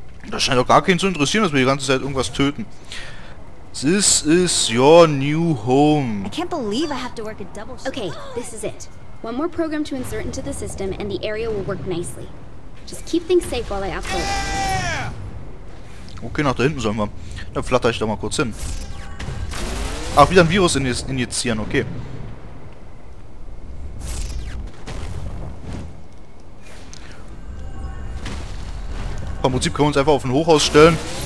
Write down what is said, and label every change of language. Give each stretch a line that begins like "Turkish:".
German: Das scheint doch gar keinen zu interessieren, dass wir die ganze Zeit irgendwas töten.
English: This is your new home. I can't believe I have to work a double shift. Okay, this is it. One more program to insert into the system and the area will work nicely. Just keep things safe while I upload.
German: Okay, nach da hinten sollen wir. Da flatter ich doch mal kurz hin. Ach, wieder ein Virus injizieren, okay. Im Prinzip können wir uns einfach auf ein Hochhaus stellen.